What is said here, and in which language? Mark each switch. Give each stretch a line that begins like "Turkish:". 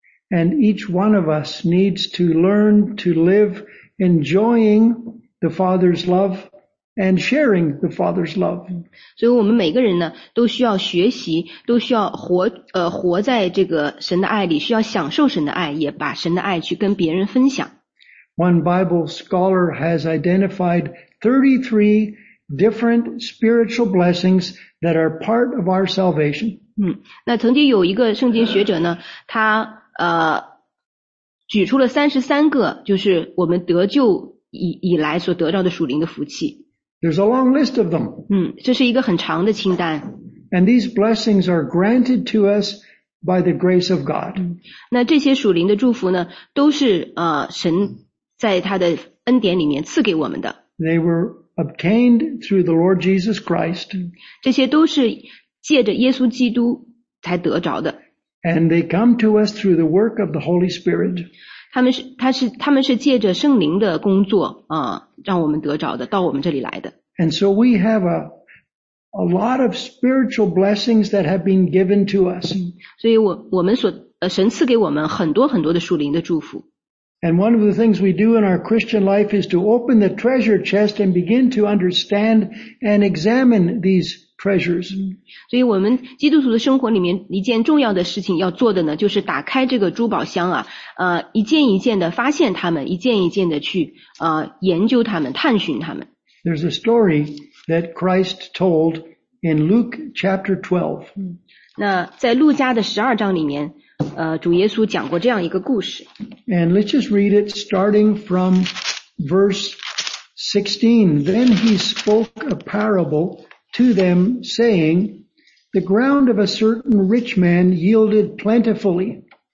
English: And each one of us needs to learn to live enjoying the Father's love and sharing the Father's love.
Chinese: 所以我们每个人呢，都需要学习，都需要活在这个神的爱里，需要享受神的爱，也把神的爱去跟别人分享。
English: One Bible scholar has identified 33 different spiritual blessings that are part of our salvation.
Chinese: 那曾经有一个圣经学者呢，他举出了33个，就是我们得救以来所得到的属灵的福气。
English: There's a long list of them.
Chinese: 这是一个很长的清单。
English: And these blessings are granted to us by the grace of God.
Chinese: 那这些属灵的祝福呢，都是神在他的恩典里面赐给我们的。
English: They were obtained through the Lord Jesus Christ.
Chinese: 这些都是借着耶稣基督才得着的。
English: And they come to us through the work of the Holy Spirit.
Chinese: 他们是借着圣灵的工作啊，让我们得着的，到我们这里来的。
English: And so we have a lot of spiritual blessings that have been given to us.
Chinese: 所以神赐给我们很多很多的属灵的祝福。
English: And one of the things we do in our Christian life is to open the treasure chest and begin to understand and examine these treasures.
Chinese: 所以我们基督徒的生活里面一件重要的事情要做的呢，就是打开这个珠宝箱啊，一件一件的发现它们，一件一件的去研究它们，探寻它们。
English: There's a story that Christ told in Luke chapter 12.
Chinese: 那在路加的12章里面主耶稣讲过这样一个故事。
English: And let's just read it starting from verse 16. Then he spoke a parable to them, saying, The ground of a certain rich man yielded plentifully.